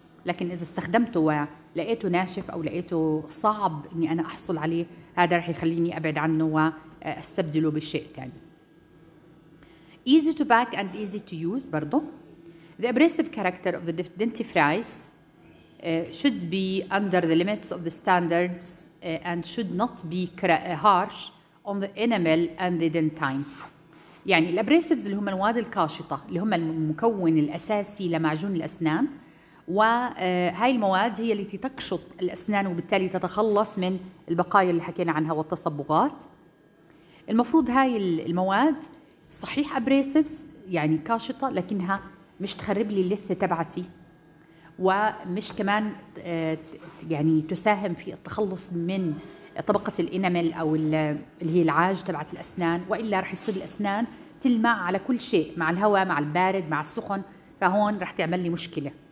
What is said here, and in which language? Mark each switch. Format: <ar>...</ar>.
<ar>لكن إذا استخدمته ولقيته ناشف أو لقيته صعب أني أنا أحصل عليه، هذا رح يخليني أبعد عنه وأستبدله بشيء تاني.</ar> <en>Easy to pack and easy to use</en> <ar>برضو.</ar> <en>The abrasive character of the dentifrice should be under the limits of the standards and should not be harsh on the enamel and the dentine.</en> <ar>يعني الابريسيفز اللي هم المواد الكاشطة اللي هم المكون الأساسي لمعجون الأسنان، وهاي المواد هي التي تكشط الأسنان وبالتالي تتخلص من البقايا اللي حكينا عنها والتصبغات. المفروض هاي المواد صحيح ابريسيفز يعني كاشطة، لكنها مش تخرب لي اللثة تبعتي ومش كمان يعني تساهم في التخلص من طبقة الإنامل أو اللي هي العاج تبعت الأسنان، وإلا رح يصير الأسنان تلمع على كل شيء مع الهواء مع البارد مع السخن، فهون رح تعمل لي مشكلة.</ar>